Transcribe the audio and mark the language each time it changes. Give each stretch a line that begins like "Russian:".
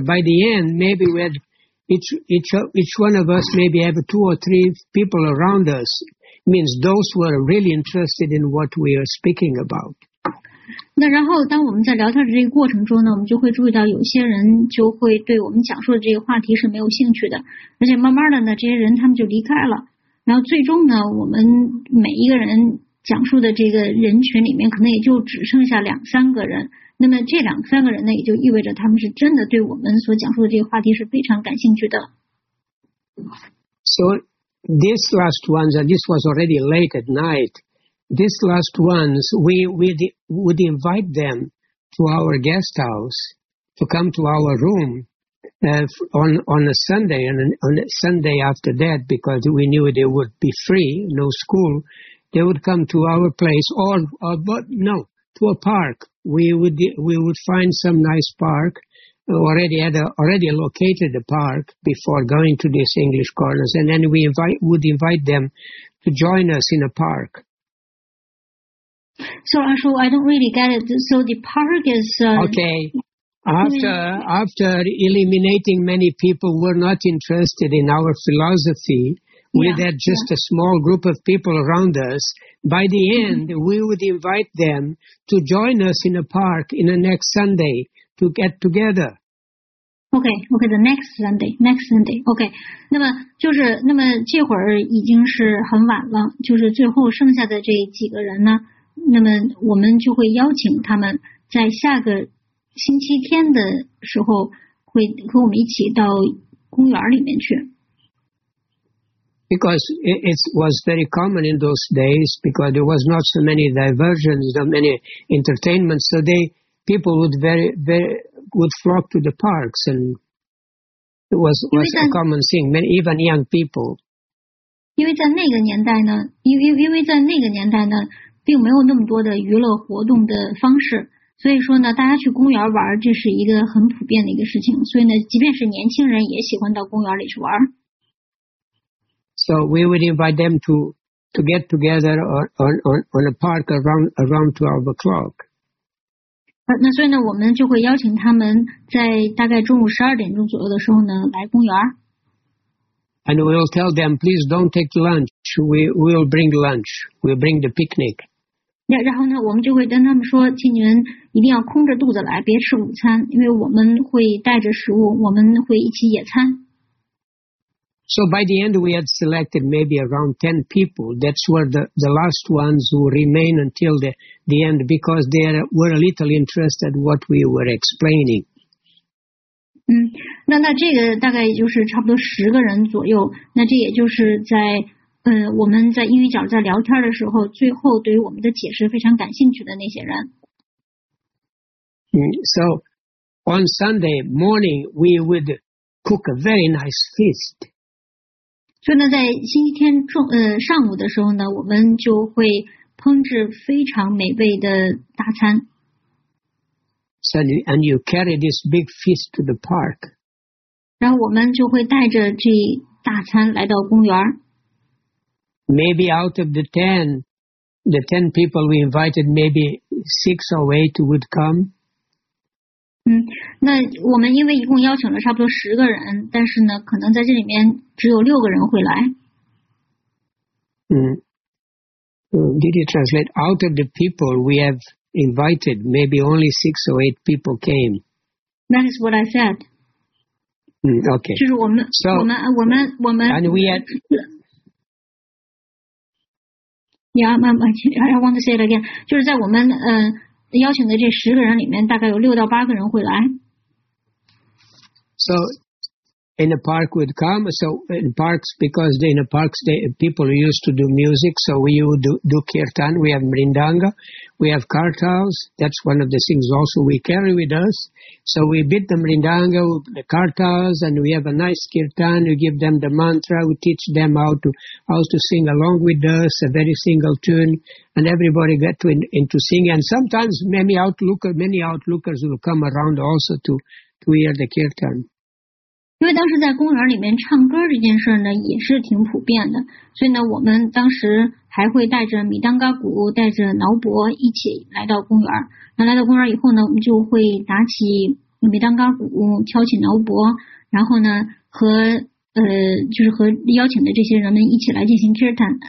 English: By the end, maybe we had each one of us maybe have two or three people around us. Means those who are really interested in what we are speaking about.
Chinese: 那然后当我们在聊天的这个过程中呢，我们就会注意到有些人就会对我们讲述的这个话题是没有兴趣的，而且慢慢的呢，这些人他们就离开了。然后最终呢，我们每一个人讲述的这个人群里面，可能也就只剩下两三个人。那么这两三个人呢，也就意味着他们是真的对我们所讲述的这个话题是非常感兴趣的。
English: So. These last ones, and this was already late at night, these last ones, we would invite them to our guest house, to come to our room on a Sunday, and on a Sunday after that, because we knew they would be free, no school, they would come to our place, to a park. We would find some nice park. Already located the park before going to these English corners, and then we would invite them to join us in a park. So, Ashu, I don't really get it. So the park is... Okay. After eliminating many people who were not interested in our philosophy, we had just a small group of people around us, by the end, we would invite them to join us in a park in the next Sunday to get together. Okay, the next Sunday.
Chinese: Okay, 那么就是那么这会儿已经是很晚了，就是最后剩下的这几个人呢，那么我们就会邀请他们在下个星期天的时候会和我们一起到公园里面去。
English: Because it was very common in those days, because there was not so many diversions, not many entertainments, so people would very, very would flock to the parks, and it was a common thing, even young people.
Chinese: 因为在那个年代呢，因为在那个年代呢，并没有那么多的娱乐活动的方式，所以说呢，大家去公园玩，这是一个很普遍的一个事情。所以呢，即便是年轻人也喜欢到公园里去玩。
English: So we would invite them to get together on a park around 12 o'clock.
Chinese: 那所以呢，我们就会邀请他们在大概中午十二点钟左右的时候呢，来公园。
English: And we'll tell them, please don't take lunch. We will bring lunch. We'll bring the picnic.
Chinese: 然后呢，我们就会跟他们说，请你们一定要空着肚子来，别吃午餐，因为我们会带着食物，我们会一起野餐。
English: So by the end, we had selected maybe around 10 people. That's where the last ones who remain until the end, because they were a little interested in what we were explaining.
Chinese: 那这个大概也就是差不多十个人左右。那这也就是在我们在英语角在聊天的时候，最后对于我们的解释非常感兴趣的那些人。
English: So on Sunday morning, we would cook a very nice feast.
Chinese: 所以呢，在星期天中上午的时候呢，我们就会烹制非常美味的大餐。
English: So and you carry this big feast to the park.
Chinese: 然后我们就会带着这大餐来到公园。
English: Maybe out of the ten people we invited, maybe six or eight would come.
Chinese: 那我们因为一共邀请了差不多十个人，但是呢，可能在这里面只有六个人会来。
English: Did you translate? Out of the people we have invited, maybe only six or eight people came. That is what I said. Okay.
Chinese: 就是我们
English: and we had. Yeah, I want to say it again.
Chinese: 就是在我们邀请的这十个人里面，大概有六到八个人会来。
English: So, in the park would come. So in parks, because in the parks, people used to do music. So we would do kirtan. We have mrindanga. We have kartals. That's one of the things also we carry with us. So we beat the mrindanga, the kartals, and we have a nice kirtan. We give them the mantra. We teach them how to sing along with us, a very single tune. And everybody get into singing. And sometimes many outlookers will come around also to hear the kirtan.
Chinese: 因为当时在公园里面唱歌这件事呢也是挺普遍的，所以呢我们当时还会带着米当嘎鼓，带着挠钹一起来到公园。那来到公园以后呢，我们就会打起米当嘎鼓，敲起挠钹，然后呢和邀请的这些人们一起来进行 kirtan。